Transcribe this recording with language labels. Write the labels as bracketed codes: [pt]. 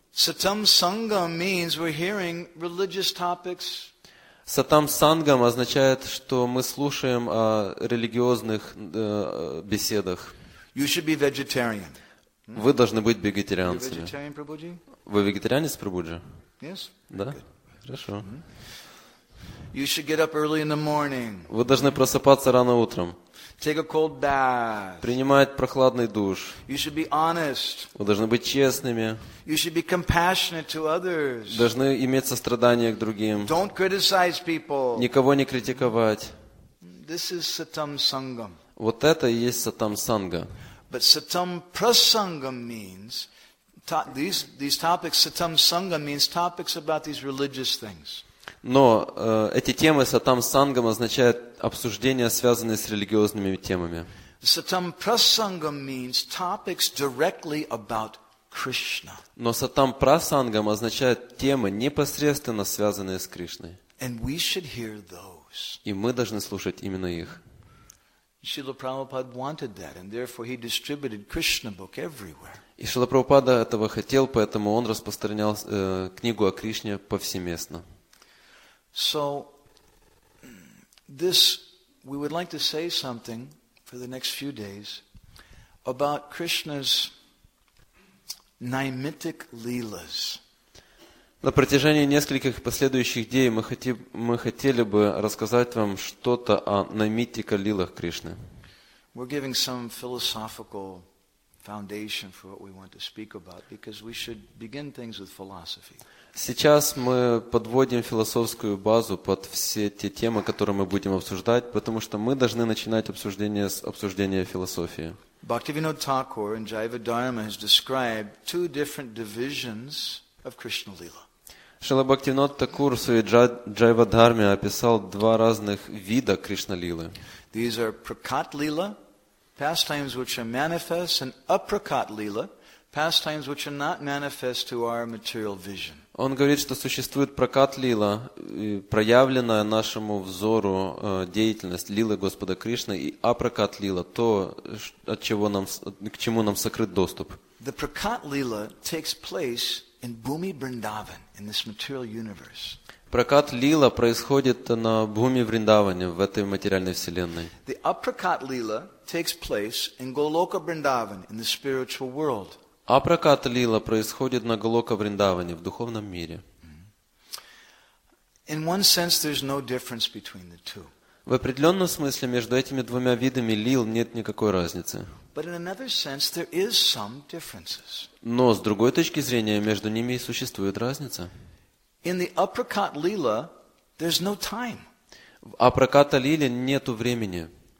[en] Сатам-сангам means we're hearing religious topics. [ru] Сатам сангам означает, что мы слушаем о религиозных беседах. [en] You should be vegetarian. [ru] Вы должны быть вегетарианцами. Вы вегетарианец, Прабуджи? [en] Yes. [ru] Да? Хорошо. [en] You should get up early in the morning. [ru] Вы должны просыпаться рано утром. [en] Take a cold bath. [ru] Принимать прохладный душ. [en] You should be honest. [ru] Вы должны быть честными. [en] You should be compassionate to others. [ru] Должны иметь сострадание к другим. [en] Don't criticize people. [ru] Никого не критиковать. [en] This is satam sangam. [ru] Вот это и есть сатам санга. [en] But satam prasangam means these topics. Satam sangam means topics about these religious things. [ru] Но эти темы сатам сангам означают обсуждения, связанные с религиозными темами. [en] Сатам прасангам means topics directly about Krishna. [ru] Но сатам прасангам означает темы, непосредственно связанные с Кришной. [en] And we should hear those. [ru] И мы должны слушать именно их. [en] Шрила Прабхупада wanted that, and therefore he distributed Krishna book everywhere. [ru] И Шрила Прабхупада этого хотел, поэтому он распространял книгу о Кришне повсеместно. [en] So, this we would like to say something for the next few days about Krishna's naimittic leelas. [ru] На протяжении нескольких последующих дней мы хотели бы рассказать вам что-то о наймитика лилах Кришны. [en] We're giving some philosophical foundation for what we want to speak about because we should begin things with philosophy. [ru] Сейчас мы подводим философскую базу под все те темы, которые мы будем обсуждать, потому что мы должны начинать обсуждение с обсуждения философии. [en] Bhaktivinoda Thakur in Jiva Dharma has described two different divisions of Krishna Lila. [ru] Шрила Бхактивинода Такур в своей Джайва Дхарме описал два разных вида Кришна Лилы. [en] These are prakat lila, pastimes which are manifest, and aprakat lila, pastimes which are not manifest to our material vision. [ru] Он говорит, что существует прокат лила, проявленная нашему взору деятельность лилы Господа Кришны, и апрокат лила, то, от чего нам, к чему нам сокрыт доступ. [en] The prakat lila takes place in Bhumi Vrindavan, in this material universe. [ru] Prakat lila происходит на Бхуми Вриндаване, в этой материальной вселенной. [en] The aprakat lila takes place in Goloka Vrindavan, in the spiritual world. [ru] Апракат лила происходит на Голока Вриндаване, в духовном мире. [en] In one sense, there's no difference between the two. [ru] В определенном смысле между этими двумя видами лил нет никакой разницы. [en] But in another sense, there is some differences. [ru] Но с другой точки зрения между ними существует разница. [en] In the apricot lila, there's no time. [ru] В апраката лиле нету времени.